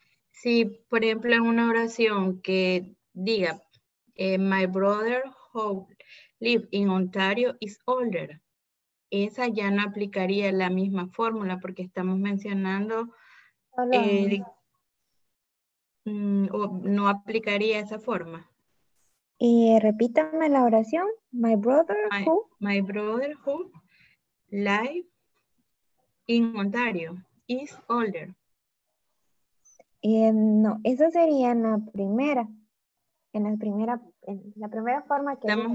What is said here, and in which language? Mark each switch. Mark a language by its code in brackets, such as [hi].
[es] Sí, por ejemplo, en una oración que diga, [en] my brother who live in Ontario is older. [es] Esa ya no aplicaría la misma fórmula porque estamos mencionando, o no aplicaría esa forma. Y repítame la oración, [en] my brother who. My brother who live in Ontario is older. [es] No, esa sería en la primera. En la primera, en la primera forma que